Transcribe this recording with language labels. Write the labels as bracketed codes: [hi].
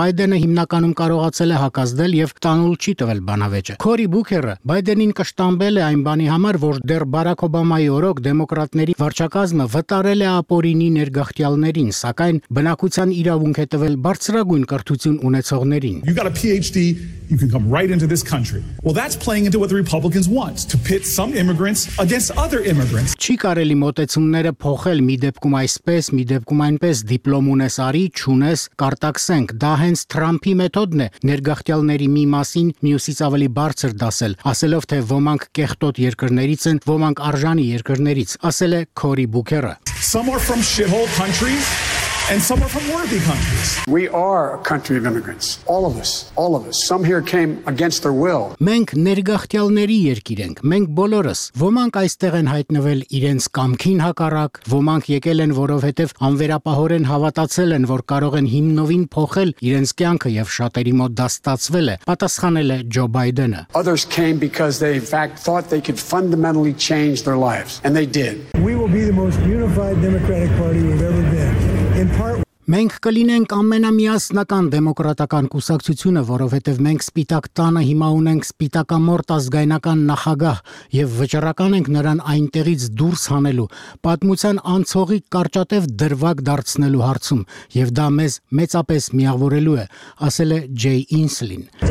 [hy] Բայդենը հիմնականում կարողացել է հակազդել եւ տանուլ չի տվել բանավեճը։ Քորի Բուքերը Բայդենին կշտամբել է այն բանի համար, որ դեռ Բարակ Օբամայի օրոք դեմոկրատների վարչակազմը վտարել է ապօրինի ներգաղթյալներին, սակայն բնակության իրավունք է տվել բարձրագույն կրթություն ունեցողներին։ [en] You got a PhD, you can come right into this country. Well, that's playing into what the Republicans want, to pit some immigrants against other immigrants. [hy] Չի կարելի մոտեցումները փոխել մի դեպքում այսպես, մի դեպքում այնպես, դիպլոմ ունես արի, չունես կարտակսենք։ Դա հենց Թրամփի մեթոդն է, ներգաղթյալների մի մասին մյուսից ավելի բարձր դասել, ասելով թե ոմանք կեղտոտ երկրներից են, ոմանք արժանի երկրներից, ասել է Քորի Բուքերը։ [en] Some are from shithole countries and some are from worthy countries. We are a country of immigrants. All of us. All of us. Some here came against their will. [hy] Մենք ներգաղթյալների երկիր ենք, մենք բոլորս։ Ոմանք այստեղ են հայտնվել իրենց կամքին հակառակ, ոմանք եկել են, որովհետև անվերապահորեն հավատացել են, որ կարող են հիմնովին փոխել իրենց կյանքը եւ շատերի մոտ դա ստացվել է, պատասխանել է Ջո Բայդենը։ [en] Others came because they in fact thought they could fundamentally change their lives and they did. We will be the most unified Democratic Party we've ever been. [hy] Մենք կլինենք ամենամիասնական դեմոկրատական կուսակցությունը, որովհետև մենք Սպիտակ տանը հիմա ունենք Սպիտակամորտ ազգայնական նախագահ եւ վճռական ենք նրան այնտեղից դուրս հանելու, պատմության անցողի կարճատև դրվակ դարձնելու հարցում, եւ դա մեզ մեծապես միավորելու է, ասել է Ջեյ Ինսլին։